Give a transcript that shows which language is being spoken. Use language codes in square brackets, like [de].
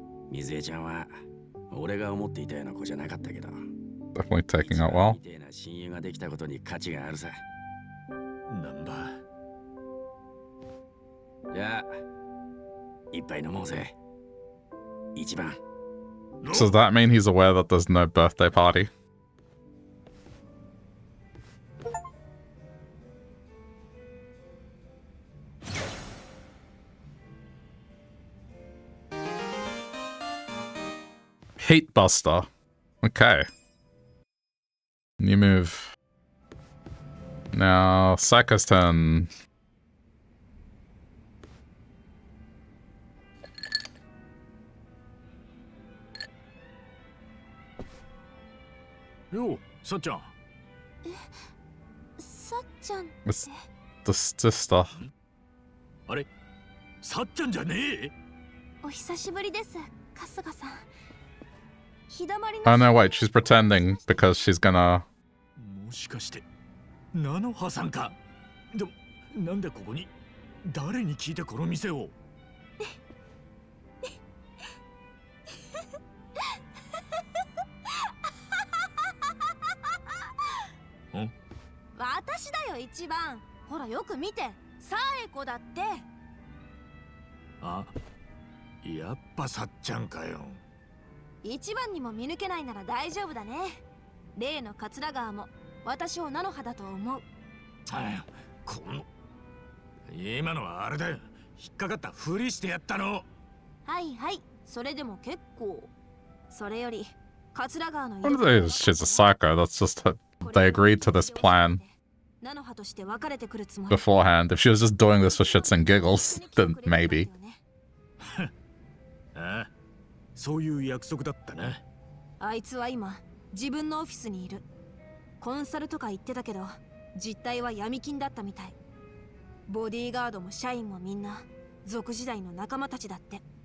[ja] 水江ちゃんは俺が思っていたような子じゃなかったけど。 [en] Definitely taking out well。 [ja] みたいな親友ができたことに価値があるさ。ナンバー。じゃあ、一杯飲もうぜ。一番。 [en] Does that mean he's aware that there's no birthday party? Heat Buster. Okay. New move. Now, Saka's turn. Yo, Sat-chan. Sat-chan. It's the sister. Are Sat-chan, [ja] じゃねえ? [en] お久しぶりです、 Kasuga-san. Oh no, wait, she's pretending because she's gonna. [ja] もしかして、ナノハさんか。でも、なんでここに、誰に聞いてこの店を。私だよ一番。ほらよく見て、サエコだって。あ、やっぱサッちゃんかよ。一番にも見抜けないなら大丈夫だね。例の桂川も私をナノハだと思う。あ、この今のはあれだよ、引っかかったふりしてやったの。はいはい、それでも結構。それより桂川の言うことは、 [en] She's a sucker. That's just a, they agreed to this plan beforehand. If she was just doing this for shits and giggles, then maybe. [ja] ああ、そういう約束だったな。あいつは今自分のオフィスにいる。コンサルとか言ってたけど、実態は闇金だったみたい。ボディーガードも社員もみんな属時代の仲間たちだって。